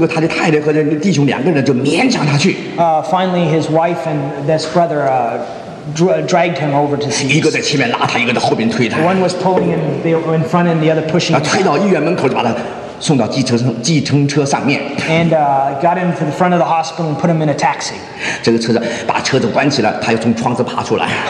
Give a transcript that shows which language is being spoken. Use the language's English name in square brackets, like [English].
[Chinese] 那么结果他的太太和弟兄两个人就勉强他去。 [English] Finally his wife and this brother, dragged him over to see. [Chinese] 一个在前面拉他，一个在后边推他。 [English] One was pulling him in front, and the other pushing him. [Chinese] 推到医院门口，就把他送到计程车上面。 [English] And got him to the front of the hospital and put him in a taxi. [Chinese] 这个车子把车子关起来，他又从窗子爬出来。